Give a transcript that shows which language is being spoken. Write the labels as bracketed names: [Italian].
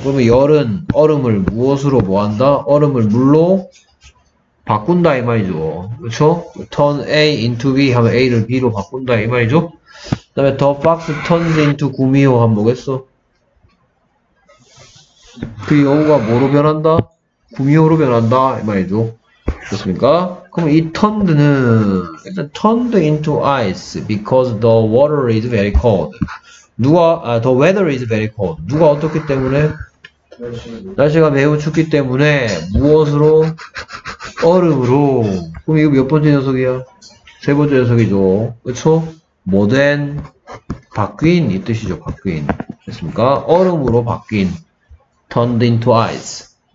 [Korean] 그러면 열은 얼음을 무엇으로 모한다? 얼음을 물로 바꾼다 이 말이죠. 그렇죠? [English] turn A into B [Korean] 하면 A를 B로 바꾼다 이 말이죠. 그다음에 [English] the box turns into [Korean] 구미호 하면 뭐겠어? 그 여우가 뭐로 변한다? 구미호로 변한다 이 말이죠. 좋습니까? 그럼 이 [English] turned는 turned into ice because the water is very cold. 누가 the weather is very cold. [Korean] 누가 어떻기 때문에? 날씨가 매우 춥기 때문에 무엇으로? 얼음으로. 그럼 이거 몇 번째 녀석이야? 세 번째 녀석이죠. 그쵸? 뭐든 바뀐 이 뜻이죠. 바뀐. 됐습니까? 얼음으로 바뀐. [English] turned into ice.